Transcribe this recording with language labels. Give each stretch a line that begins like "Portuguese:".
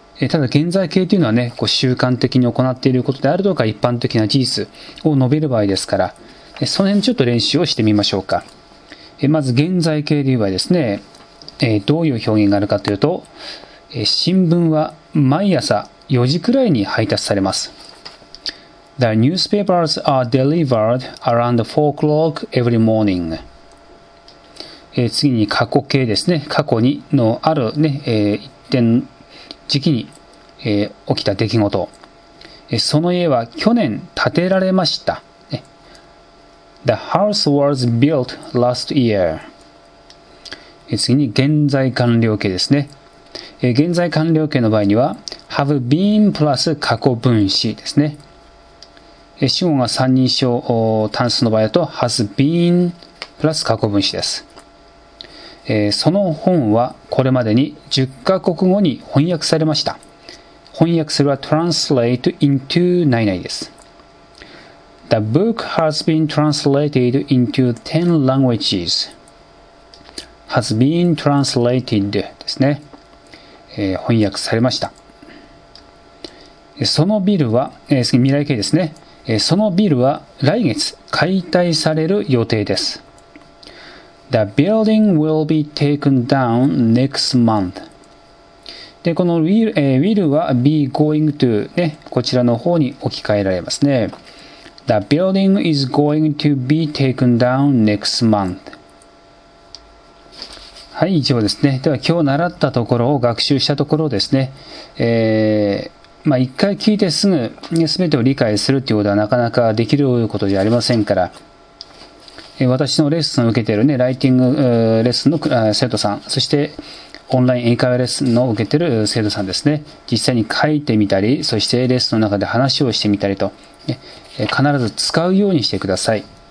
Japanese: ただ現在形というのはね、こう習慣的に行っていることであるとか一般的な事実を述べる場合ですから、その辺ちょっと練習をしてみましょうか。まず現在形でいう場合ですね、どういう表現があるかというと、新聞は毎朝4時くらいに配達されます。
English: The newspapers are delivered around 4 o'clock every morning。
Japanese: 次に過去形ですね、過去にのある、ね、一点時期に、起きた出来事、その家は去年建てられました。
English: The house was built last year。
Japanese: 次に現在完了形ですね。現在完了形の場合には have been プラス過去分詞ですね。主語が三人称単数の場合だと has been プラス過去分詞です。その本はこれまでに10カ国語に翻訳されました。翻訳するは translate into 何々です。
English: The book has been translated into 10 languages.
Japanese: Has been translated ですね。翻訳されました。そのビルは、未来形ですね。そのビルは来月解体される予定です。
English: The building will be taken down next month.
Japanese: で、この will は be going to ね、こちらの方に置き換えられますね。
English: The building is going to be taken down next month.
Japanese: はい、以上ですね。では今日習ったところを学習したところですね。一回聞いてすぐ全てを理解するということはなかなかできることじゃありませんから、私のレッスンを受けているね、ライティングレッスンの生徒さん、そしてオンライン英会話レッスンの受けている生徒さんですね、実際に書いてみたり、そしてレッスンの中で話をしてみたりと、必ず使うようにしてください。